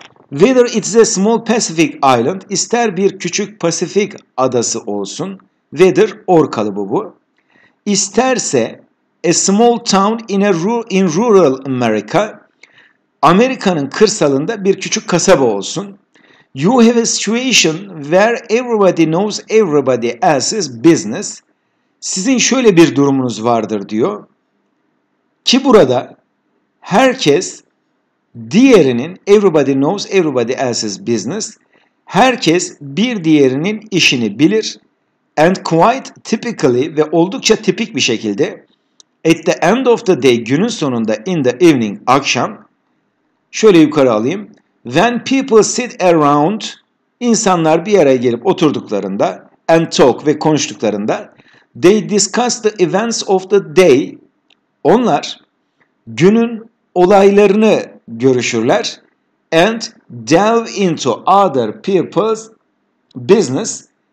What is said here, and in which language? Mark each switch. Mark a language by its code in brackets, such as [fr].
[en] Whether it is a small Pacific island, [tr] ister bir küçük Pasifik adası olsun. [en] Whether or [tr] kalıbı bu. İsterse [en] a small town in rural America, [tr] Amerika'nın kırsalında bir küçük kasaba olsun. [en] You have a situation where everybody knows everybody else's business. [tr] Sizin şöyle bir durumunuz vardır diyor. Ki burada herkes diğerinin, [en] everybody knows everybody else's business, [tr] herkes bir diğerinin işini bilir. [en] And quite typically, [tr] ve oldukça tipik bir şekilde, [en] at the end of the day, [tr] günün sonunda, [en] in the evening, [tr] akşam, şöyle yukarı alayım, [en] when people sit around, [tr] insanlar bir araya gelip oturduklarında [en] and talk [tr] ve konuştuklarında, [en] they discuss the events of the day, [tr] onlar günün olaylarını görüşürler [en] and delve into other people's business.